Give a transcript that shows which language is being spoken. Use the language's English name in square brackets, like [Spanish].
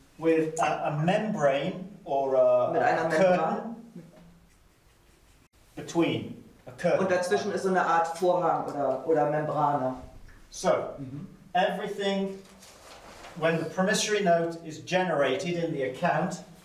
[English] With a membrane or a curtain between a curtain. [German] Und dazwischen ist so eine Art Vorhang oder Membrane. [English] So, everything, when the promissory note is generated in the account,